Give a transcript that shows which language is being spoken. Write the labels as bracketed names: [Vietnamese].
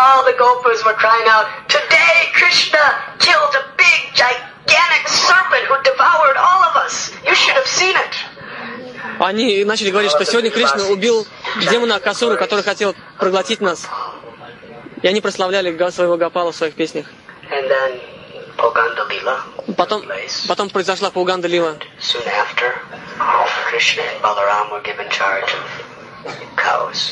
[English] all the gopas were crying out, today Krishna killed a big, gigantic serpent who devoured all of us. You should have seen it. [Russian] Они начали говорить, что сегодня Кришна убил демона Акасуру, который хотел проглотить нас. И они прославляли своего Гопала в своих песнях. [English] And then Pauganda Lila. [Russian] Потом произошла Пауганда Лила. [English] Soon after, Krishna and Balaram were given charge of cows.